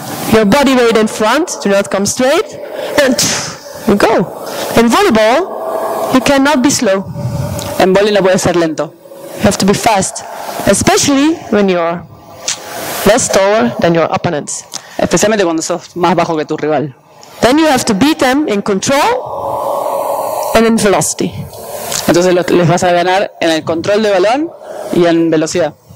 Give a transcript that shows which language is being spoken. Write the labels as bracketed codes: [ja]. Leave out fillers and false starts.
[en] Your body weight in front, do not come straight, and you go. In volleyball, you cannot be slow. [es] En volley no puede ser lento. [en] You have to be fast, especially when you are less taller than your opponents. [es] Especialmente cuando sos más bajo que tu rival. [en] Then you have to beat them in control and in velocity. [es] Entonces les vas a ganar en el control de balón y en velocidad.